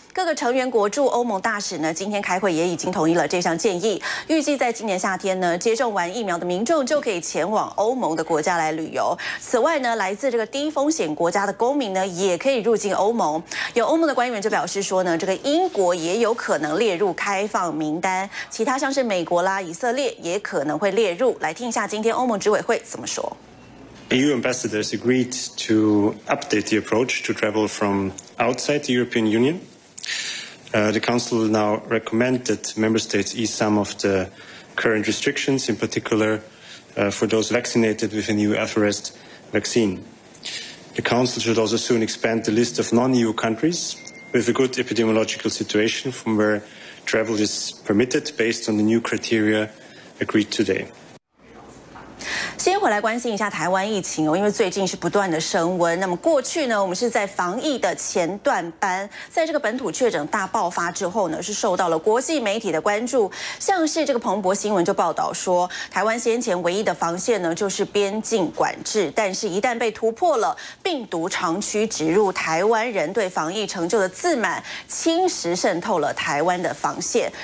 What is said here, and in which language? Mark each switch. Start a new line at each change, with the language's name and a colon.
Chinese: 各个成员国驻欧盟大使呢，今天开会也已经同意了这项建议，预计在今年夏天呢，接种完疫苗的民众就可以前往欧盟的国家来旅游。此外呢，来自这个低风险国家的公民呢，也可以入境欧盟。有欧盟的官员就表示说呢，这个英国也有可能列入开放名单，其他像是美国啦、以色列也可能会列入。来听一下今天欧盟执委会怎么说。
English: EU ambassadors agreed to update the approach to travel from outside the European Union. The Council now recommend that member states ease some of the current restrictions, in particular, for those vaccinated with a new Alpharest vaccine. The Council should also soon expand the list of non-EU countries with a good epidemiological situation from where travel is permitted based on the new criteria agreed today.
Chinese: 先回来关心一下台湾疫情哦，因为最近是不断的升温。那么过去呢，我们是在防疫的前段班，在这个本土确诊大爆发之后呢，是受到了国际媒体的关注。像是这个彭博新闻就报道说，台湾先前唯一的防线呢，就是边境管制，但是一旦被突破了，病毒长驱直入，台湾人对防疫成就的自满，侵蚀渗透了台湾的防线。